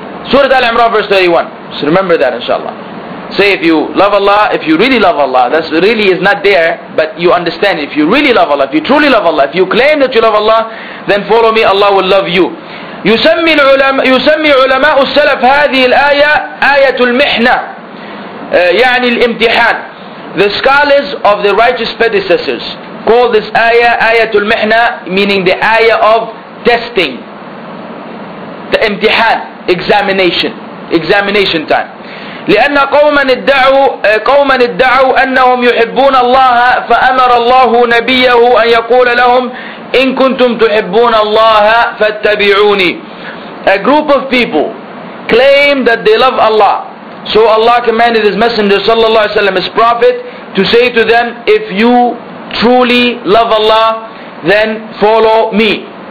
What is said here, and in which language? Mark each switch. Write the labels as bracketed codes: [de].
[en] Surah Al-Imran verse 31. So remember that inshallah. Say if you love Allah, if you really love Allah, that really is not there, but you understand, if you really love Allah, if you truly love Allah, if you claim that you love Allah, then follow me, Allah will love you. [ar] يسمي علماء السلف هذه الآية آية المحنة يعني الامتحان. [en] The scholars of the righteous predecessors call this ayah ayatul mihna, meaning the ayah of testing, the imtihan, examination time. [ar] لأن قوما ادعوا أنهم يحبون الله فأمر الله نبيه أن يقول لهم إن كنتم تحبون الله فاتبعوني. [en] A group of people claim that they love Allah, so Allah commanded His Messenger sallallahu alaihi wasallam, His Prophet, to say to them, if you truly love Allah, then follow me.